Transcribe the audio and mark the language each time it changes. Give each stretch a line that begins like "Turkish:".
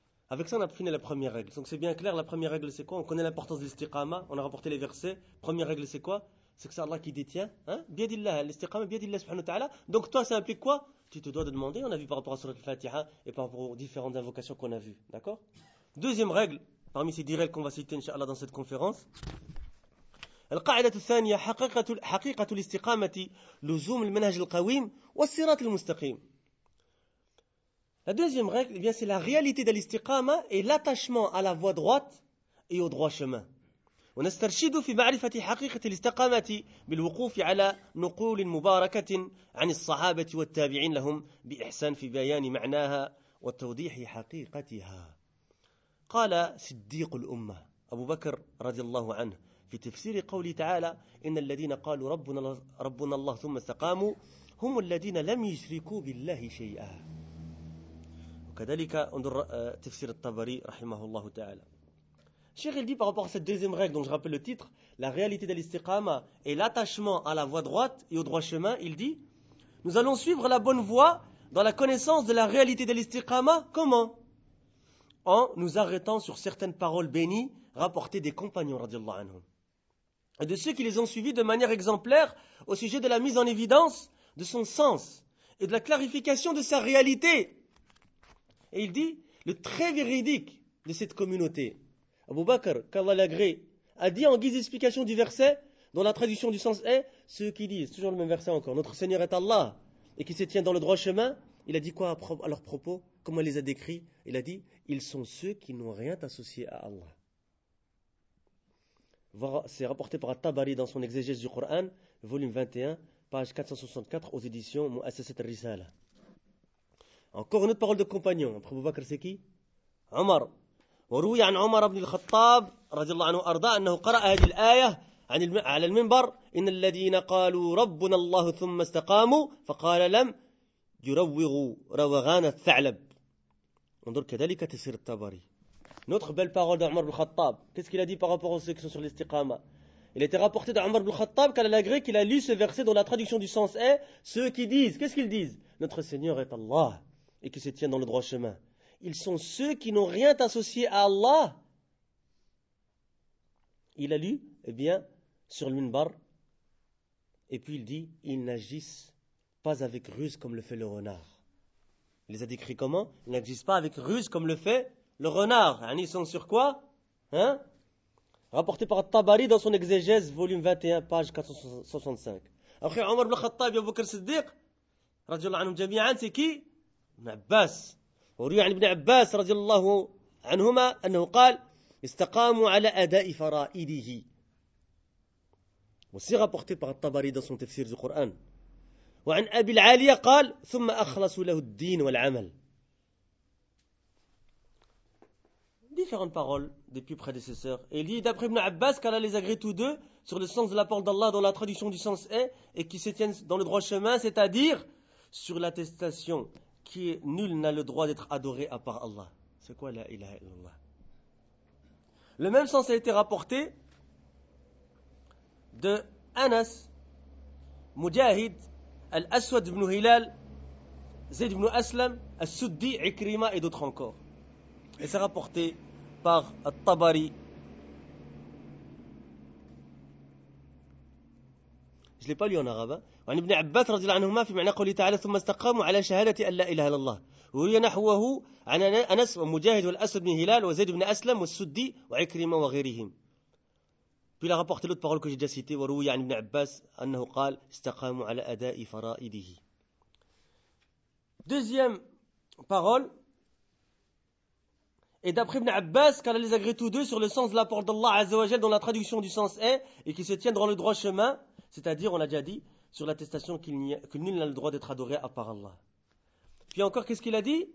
French: Avec ça, on a fini la première règle. Donc c'est bien clair, la première règle, c'est quoi? On connaît l'importance de l'istiqama, on a rapporté les versets. Première règle, c'est quoi? C'est que c'est Allah qui détient, hein? Biadillah, l'istiqama,
Arabic: biadillah subhanahu wa ta'ala.
French: Donc toi, ça implique quoi? Tu te dois de demander, on a vu par rapport à surat al-Fatiha et par rapport aux différentes invocations qu'on a vues, d'accord? Deuxième règle, parmi ces 10 règles qu'on va citer, inshallah, dans cette conférence.
Arabic: القاعدة الثانية حقيقة الاستقامة لزوم المنهج القويم والصراط المستقيم.
French: La deuxième règle, eh bien, c'est la réalité de l'istiqama et l'attachement à la voie droite et au droit chemin.
Arabic: ونسترشد في معرفة حقيقة الاستقامة بالوقوف على نقول مباركة عن الصحابة والتابعين لهم بإحسان في بيان معناها وتوضيح حقيقتها. قال صديق الأمة أبو بكر رضي الله عنه في تفسير قوله تعالى إن الذين قالوا ربنا الله ثم استقاموا هم الذين لم يشركوا بالله شيئا. وكذلك انظر تفسير الطبري رحمه الله تعالى.
French: Cheikh, il dit par rapport à cette deuxième règle dont je rappelle le titre, la réalité de l'istiqama et l'attachement à la voie droite et au droit chemin, il dit, nous allons suivre la bonne voie dans la connaissance de la réalité de l'istiqama, comment ? En nous arrêtant sur certaines paroles bénies rapportées des compagnons, radiallahu anhum, et de ceux qui les ont suivis de manière exemplaire au sujet de la mise en évidence de son sens et de la clarification de sa réalité. Et il dit, le très véridique de cette communauté, Abu Bakr, qu'Allah l'agrée, a dit en guise d'explication du verset, dont la traduction du sens est, ceux qui disent, toujours le même verset encore, notre Seigneur est Allah, et qui se tient dans le droit chemin, il a dit quoi à leur propos? Comment il les a décrits? Il a dit, ils sont ceux qui n'ont rien associé à Allah. Voir, c'est rapporté par At-Tabari dans son exégèse du Coran, volume 21, page 464, aux éditions Mu'assasat al-Risala. Encore une autre parole de compagnon, après Abu Bakr c'est qui? Omar.
Arabic: وروي عن عمر بن الخطاب رضي الله عنه أرضاه أنه قرأ هذه الآية على المنبر إن الذين قالوا ربنا الله ثم استقاموا فقال لم يروغوا روغان الثعلب. انظر كذلك تفسير الطبري.
French: Notre belle parole d'Omar bin Khattab. Qu'est-ce qu'il a dit par rapport aux ceux qui sont sur l'istiqama? Il a été rapporté d'Omar bin Khattab qu'il a lu ce verset dont la traduction du sens est ceux qui disent, qu'est-ce qu'ils disent? Notre Seigneur est Allah et qu'il se tient dans le droit chemin. Ils sont ceux qui n'ont rien associé à Allah. Il a lu, eh bien, sur le minbar. Et puis il dit, ils n'agissent pas avec ruse comme le fait le renard. Il les a décrits comment? Ils n'agissent pas avec ruse comme le fait le renard. Ils sont sur quoi? Hein? Rapporté par Tabari dans son exégèse, volume 21, page 465. Après, Omar ibn Khattab, Abu Bakr Siddiq, radiallahu anhum jami'an, c'est qui? Abbas.
Arabic: وروي عن ابن عباس رضي الله عنهما أنه قال استقاموا على أداء فرائده. وصيغة
French: portée par
Arabic: الطبري
French: dans son
Arabic: تفسير القرآن. وعن أبي العالية قال ثم أخلصوا له الدين والعمل.
French: Différentes paroles des plus prédécesseurs. Et il dit d'après ابن عباس qu'Allah les agrée tous deux sur le sens de la parole d'Allah dont la traduction du sens est et qui se tiennent dans le droit chemin, c'est-à-dire sur l'attestation qui nul n'a le droit d'être adoré à part Allah. C'est quoi la ilaha illallah? Le même sens a été rapporté de Anas, Mujahid, Al-Aswad ibn Hilal, Zayd ibn Aslam, Al-Suddi, Ikrima et d'autres encore. Et c'est rapporté par Al-Tabari. Je ne l'ai pas lu en arabe.
Arabic: وعن ابن عباس رضي الله عنهما في معنى قوله تعالى ثم استقاموا على شهادة أن لا إله إلا الله وروي نحوه عن أنس ومجاهد والأسد بن هلال وزيد بن أسلم والسدي وعكرمة وغيرهم.
French: Puis il a rapporté l'autre parole que j'ai déjà cité,
Arabic: وروي عن ابن عباس أنه قال استقاموا على أداء فرائده.
French: Deuxième parole. Et d'après ابن عباس قال les agrée tous deux sur le sens de la parole d'Allah
Arabic: عز وجل
French: dont la traduction du sens est et qui se tient dans le droit chemin, c'est-à-dire on l'a déjà dit sur l'attestation que nul n'a le droit d'être adoré à part Allah. Puis encore, qu'est-ce qu'il a dit?